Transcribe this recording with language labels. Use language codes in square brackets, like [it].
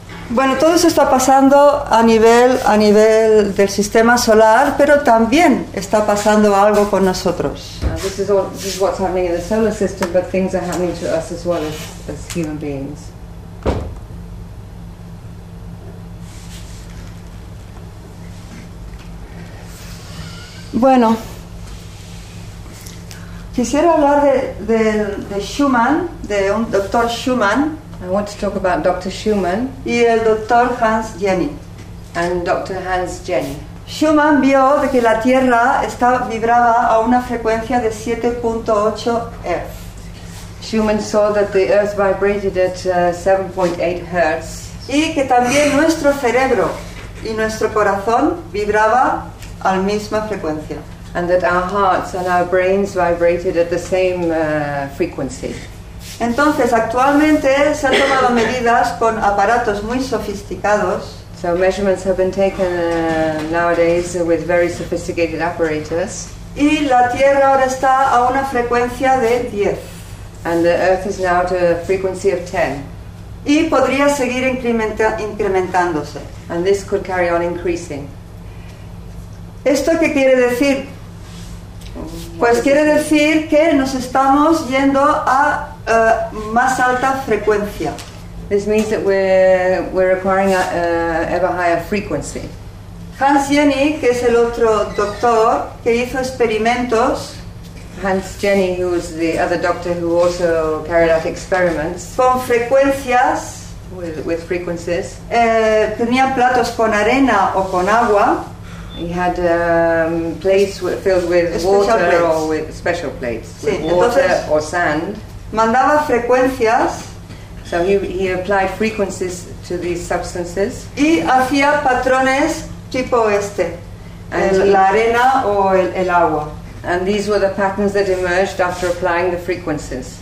[es] Bueno, todo eso está pasando a nivel del sistema solar, pero también está pasando algo con nosotros. [en] This is what's happening in the solar system, but things are happening to us as well as human beings. [es] Bueno, quisiera hablar de Schumann, de un doctor Schumann. [en] I want to talk about Dr. Schumann [es] y el Dr. Hans Jenny. [en] And Dr. Hans Jenny. [es] Schumann vio de que la Tierra vibraba a una frecuencia de 7.8 Hz. [en] Schumann saw that the Earth vibrated at 7.8 Hz. [es] Y que también nuestro cerebro y nuestro corazón vibraba a la misma frecuencia. [en] And that our hearts and our brains vibrated at the same frequency. [es] Entonces, actualmente se han tomado medidas con aparatos muy sofisticados. [en] So measurements have been taken nowadays with very sophisticated apparatus. [es] Y la Tierra ahora está a una frecuencia de 10. [en] And the Earth is now at a frequency of 10. [es] Y podría seguir incrementándose. [en] And this could carry on increasing. [es] ¿Esto qué quiere decir? Pues quiere decir que nos estamos yendo a más alta frecuencia. [en] This means that we're acquiring an ever higher frequency. [es] Hans Jenny, que es el otro doctor que hizo experimentos. [en] Hans Jenny, who was the other doctor who also carried out experiments. [es] Con frecuencias. [en] With frequencies. [es] Tenía platos con arena o con agua. [en] He had plates filled with special water plates. Or with special plates. [es] Sí, [en] with water [es] entonces, [en] or sand. [es] Mandaba frecuencias. [en] So he applied frequencies to these substances. [es] Y hacía patrones tipo este, la arena o el agua. [en] And these were the patterns that emerged after applying the frequencies.